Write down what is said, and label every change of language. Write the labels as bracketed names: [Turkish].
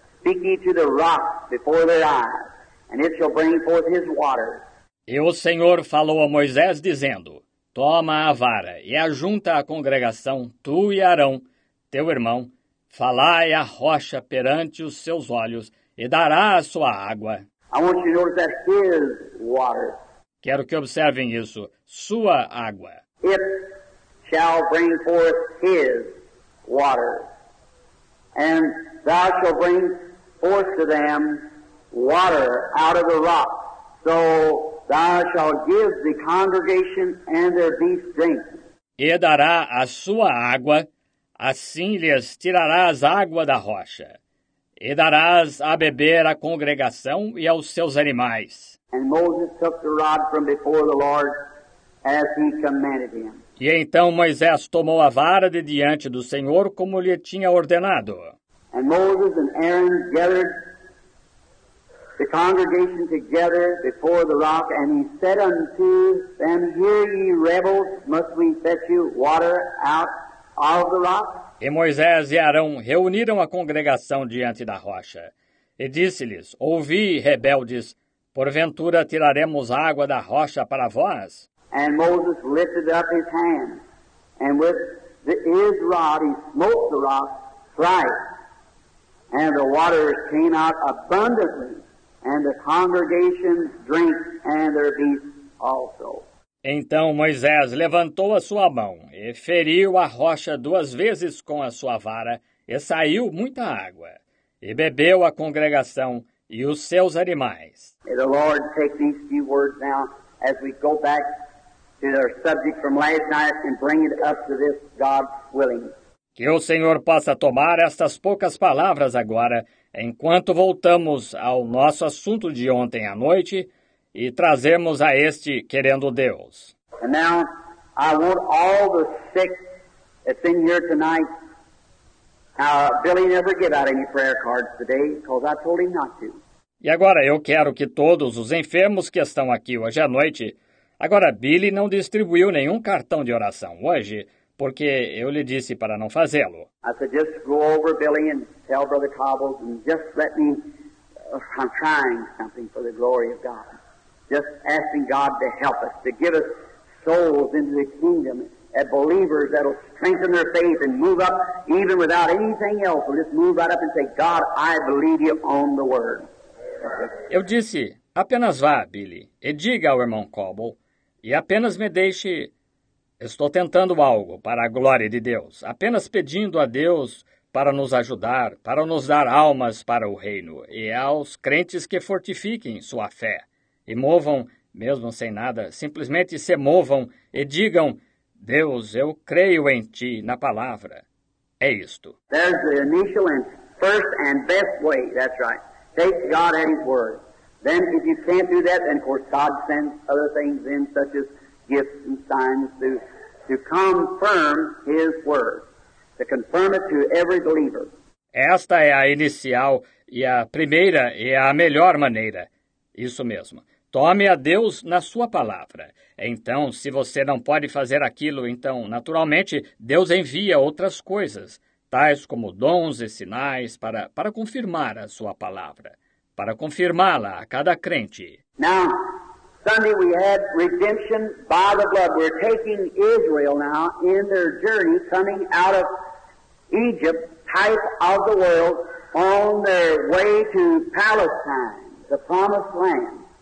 [English] Speak ye to the rock before their eyes, and it shall bring forth his waters. [Portuguese] E o Senhor falou a Moisés, dizendo, toma a vara, e ajunta a congregação, tu e Arão, teu irmão, falai a rocha perante os seus olhos, e dará a sua água. [English] I want you to notice that his water. [Portuguese] Quero que observem isso, sua água. [English] It shall bring forth his water, and thou shalt bring forth to them water out of the rock. So thou shalt give the congregation and their beasts drink. [Portuguese] E dará a sua água, assim lhes tirarás água da rocha, e darás a beber à congregação e aos seus animais. [English] And Moses took the rod from before the Lord as he commanded him. [Portuguese] E então Moisés tomou a vara de diante do Senhor como lhe tinha ordenado. [English] And Moses and Aaron gathered the congregation together before the rock, and he said unto them, hear ye rebels, must we fetch you water out of the rock? [Portuguese] E Moisés e Arão reuniram a congregação diante da rocha, e disse-lhes, ouvi, rebeldes, porventura tiraremos água da rocha para vós? [English] And Moses lifted up his hand, and with his rod he smote the rock thrice, and the waters came out abundantly, and the congregation drank, and their beasts also. [Portuguese] Então Moisés levantou a sua mão e feriu a rocha duas vezes com a sua vara, e saiu muita água, e bebeu a congregação e os seus animais. [English] May the Lord take these few words now as we go back to our subject from last night and bring it up to this, God willing. [Portuguese] Que o Senhor possa tomar estas poucas palavras agora, enquanto voltamos ao nosso assunto de ontem à noite, e trazemos a este querendo Deus. [English] And now, I want all the sick that's in here tonight. Billy never gave out any prayer cards today, because I told him not to. [Portuguese] E agora eu quero que todos os enfermos que estão aqui hoje à noite, agora Billy não distribuiu nenhum cartão de oração hoje, porque eu lhe disse para não fazê-lo. [English] I said, just go over Billy and tell Brother Cobbles and just let me, I'm trying something for the glory of God. Just asking God to help us, to give us souls into the kingdom at believers that'll strengthen their faith and move up, even without anything else, will just move right up and say, God, I believe you on the word. [Portuguese] Eu disse, apenas vá, Billy, e diga ao irmão Cobble, e apenas me deixe, estou tentando algo para a glória de Deus, apenas pedindo a Deus para nos ajudar, para nos dar almas para o reino, e aos crentes que fortifiquem sua fé, e movam, mesmo sem nada, simplesmente se movam e digam, Deus, eu creio em ti, na palavra. É isto. [English] There's the initial and first and best way, that's right. Take God at his word. Then if you can't do that, then of course God sends other things in, such as gifts and signs to confirm his word, to confirm it to every believer. [Portuguese] Esta é a inicial e a primeira e a melhor maneira. Isso mesmo. Tome a Deus na sua palavra. Então, se você não pode fazer aquilo, então, naturalmente, Deus envia outras coisas, tais como dons e sinais para confirmar a sua palavra, para confirmá-la a cada crente. [English] Now, Sunday we had redemption by the blood. We're taking Israel now in their journey, coming out of Egypt, type of the world, on their way to Palestine, the promised land.